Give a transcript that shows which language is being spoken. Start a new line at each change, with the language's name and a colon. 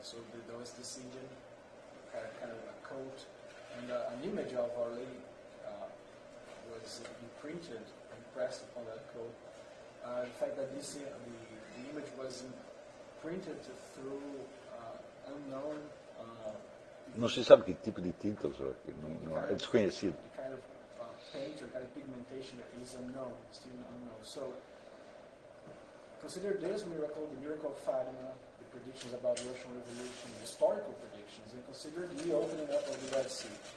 English: So there was this Indian kind of a coat, and an image of Our Lady was imprinted, impressed upon that coat. The fact that this the image was imprinted through unknown.
Portuguese: Não se sabe que tipo de tinta usou aqui, não é desconhecido.
English: Kind of paint or kind of pigmentation that is unknown, still unknown. So, consider this miracle, the miracle of Fatima, the predictions about the Russian Revolution, the historical predictions, and consider the opening up of the Red Sea.